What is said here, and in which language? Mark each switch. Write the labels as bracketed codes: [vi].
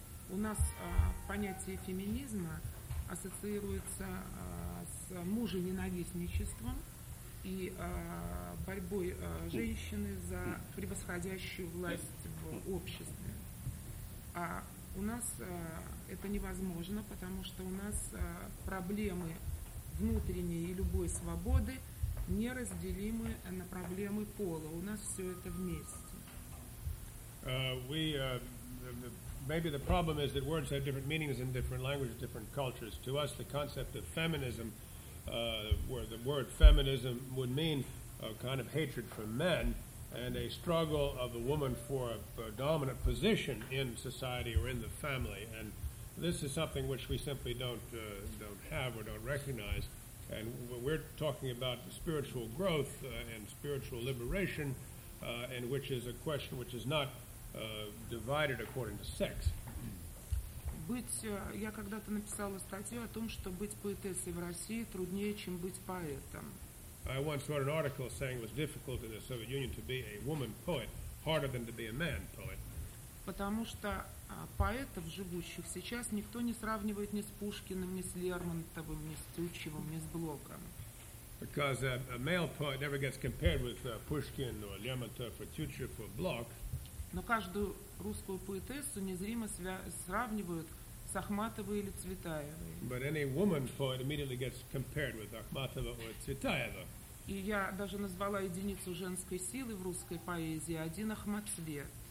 [ru] У нас понятие феминизма ассоциируется с мужененавистничеством и борьбой женщины за превосходящую власть в обществе. А у нас это невозможно, потому что у нас проблемы внутренней и любой свободы неразделимы на проблемы пола. У нас все это вместе. [en] Maybe the problem is that words have different meanings in different languages, different cultures. To us, the concept of feminism, where the word feminism would mean a kind of hatred for men and a struggle of a woman for a dominant position in society or in the family. And this is something which we simply don't have or don't recognize. And we're talking about spiritual growth and spiritual liberation, and which is a question which is not divided according to sex. [ru] Я когда-то написала статью о том, что быть поэтессой в России труднее, чем быть поэтом. [en] I once wrote an article saying it was difficult in the Soviet Union to be a woman poet, harder than to be a man poet. [ru] Потому что поэтов, живущих сейчас, никто не сравнивает ни с Пушкиным, ни с Лермонтовым, ни с Тютчевым, ни с Блоком. [en] Because a male poet never gets compared with Pushkin or Lermontov or Tuchev or Block. [ru] Но каждую русскую поэтессу незримо сравнивают с Ахматовой или Цветаевой. [en] But any woman poet immediately gets compared with Ахматова or Цветаева. [ru] И я даже назвала единицу женской силы в русской поэзии один Ахматцвет.